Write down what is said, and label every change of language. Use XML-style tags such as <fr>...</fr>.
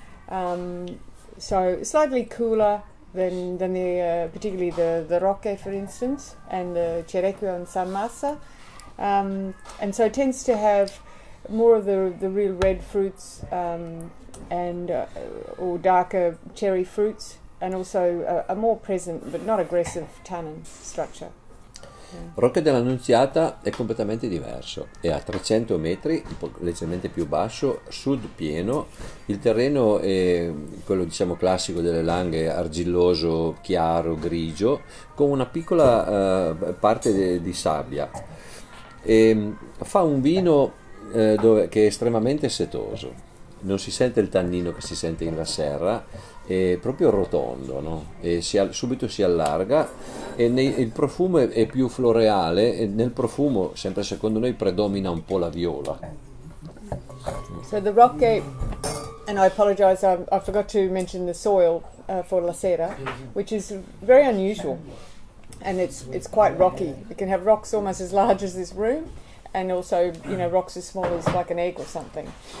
<en>So slightly cooler than the particularly the Roque, for instance, and the Cerequio and San Massa. And so it tends to have more of the real red fruits or darker cherry fruits, and also a more present but not aggressive tannin structure.</en> <it>Yeah. Rocca dell'Annunziata è completamente diverso. È a 300 metri, un po' leggermente più basso, sud pieno. Il terreno è quello, diciamo, classico delle Langhe, argilloso, chiaro, grigio, con una piccola parte di sabbia. E fa un vino che è estremamente setoso. Non si sente il tannino che si sente in La Serra, è proprio rotondo, no? E subito si allarga, e il profumo è più floreale, e nel profumo, sempre secondo noi, predomina un po' la viola.</it> <en>So the Roque, and I apologize, I forgot to mention the soil for La Serra, which is very unusual, and it's quite rocky. It can have rocks almost as large as this room, and also, you know, rocks as small as like an egg or something.</en>